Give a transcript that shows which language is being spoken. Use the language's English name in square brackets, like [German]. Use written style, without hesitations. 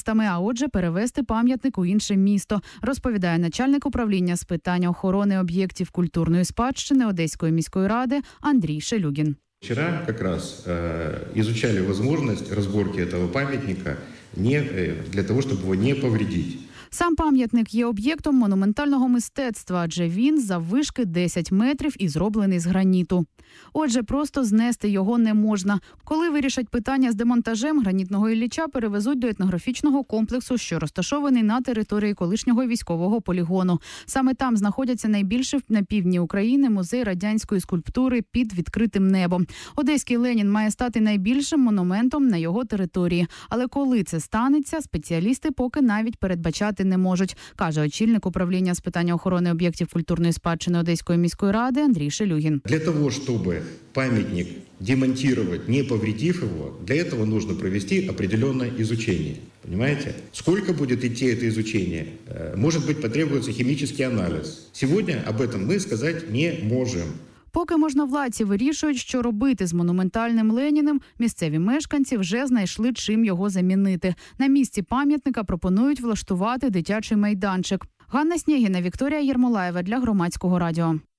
[Ukrainian] А отже, перевезти пам'ятник у інше місто, розповідає начальник управління з питань охорони об'єктів культурної спадщини Одеської міської ради Андрій Шелюгін. [Russian] Вчера как раз изучали возможность разборки этого памятника не для того, чтобы его не повредить. [Ukrainian] Сам пам'ятник є об'єктом монументального мистецтва, адже він заввишки 10 метрів і зроблений з граніту. Отже, просто знести його не можна. Коли вирішать питання з демонтажем, гранітного Ілліча перевезуть до етнографічного комплексу, що розташований на території колишнього військового полігону. Саме там знаходяться найбільше на півдні України музей радянської скульптури під відкритим небом. Одеський Ленін має стати найбільшим монументом на його території. Але коли це станеться, спеціалісти поки навіть передбачати не можуть, каже очільник управління з питань охорони об'єктів культурної спадщини Одеської міської ради Андрій Шелюгін. Для того, щоб пам'ятник демонтувати, не повредив його, для цього потрібно провести определенне ізучення. [Russian] Понимаете? Сколько будет идти это изучение? Может быть, потребуется химический анализ. Сегодня об этом мы сказать не можем. [Ukrainian] Поки можновладці вирішують, що робити з монументальним Леніним, місцеві мешканці вже знайшли, чим його замінити. На місці пам'ятника пропонують влаштувати дитячий майданчик. Ганна Снігіна, Вікторія Єрмолаєва для Громадського радіо.